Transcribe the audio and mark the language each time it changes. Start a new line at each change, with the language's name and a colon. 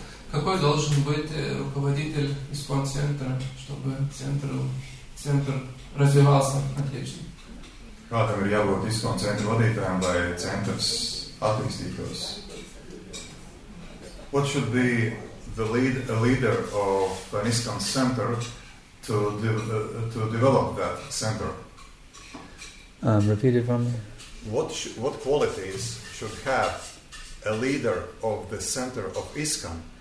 Russian: Какой должен быть руководитель ИСКОН центра, чтобы центр развивался отлично?
Latvian: Kādam ir jābūt ISKON centra vadītājam, lai centrs attīstītos?
English: What should be the leader of an ISKON center to develop that center? Repeat it for me. What qualities should have a leader of the center of ISKON?